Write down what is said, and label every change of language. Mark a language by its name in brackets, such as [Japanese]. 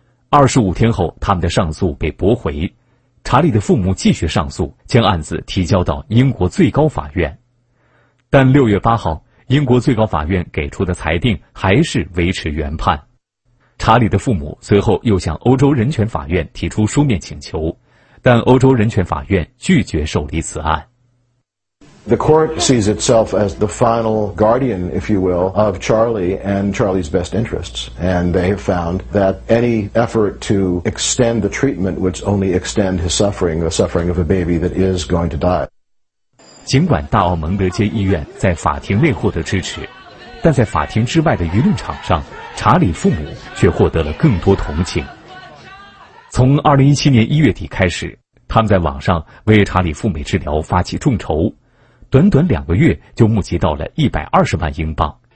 [Chinese] 25天后，他们的上诉被驳回。查理的父母继续上诉，将案子提交到英国最高法院。但6月8号，英国最高法院给出的裁定还是维持原判。查理的父母随后又向欧洲人权法院提出书面请求，但欧洲人权法院拒绝受理此案。 [English] The court sees itself as the final guardian, if you will, of Charlie and Charlie's best interests. And they have found that any effort to extend the treatment would only extend his suffering, the suffering of a baby that is going to die. [Chinese] 尽管大奥蒙德街医院在法庭内获得支持，但在法庭之外的舆论场上，查理父母却获得了更多同情。从2017年1月底开始，他们在网上为查理赴美治疗发起众筹，短短两个月就募集到了120万英镑。